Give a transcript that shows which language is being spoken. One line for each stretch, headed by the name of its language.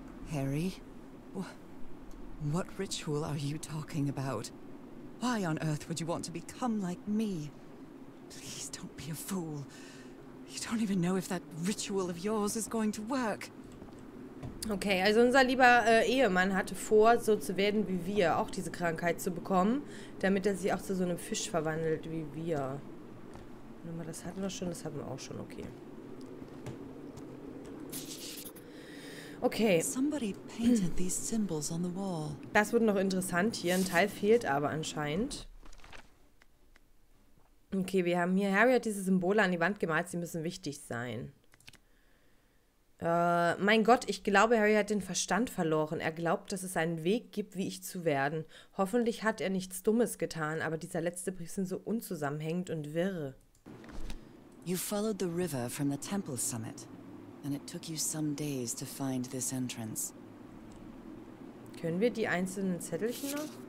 English: Harry? What ritual are you talking about? Why on earth would you want to become like me? Please don't be a fool. You don't even know if that ritual of yours is going to work.
German: Okay, also unser lieber Ehemann hatte vor, so zu werden wie wir, auch diese Krankheit zu bekommen, damit er sich auch zu so einem Fisch verwandelt wie wir. Nummer, das hatten wir schon, das haben wir auch schon, okay. Okay.
English: Somebody painted these symbols on the wall.
German: Das wird noch interessant hier. Ein Teil fehlt aber anscheinend. Okay, wir haben hier... Harry hat diese Symbole an die Wand gemalt. Sie müssen wichtig sein. Mein Gott, ich glaube, Harry hat den Verstand verloren. Er glaubt, dass es einen Weg gibt, wie ich zu werden. Hoffentlich hat er nichts Dummes getan, aber dieser letzte Brief sind so unzusammenhängend und wirr.
English: You followed the river from the temple summit. And it took you some days to find this entrance.
German: Können wir die einzelnen Zettelchen noch?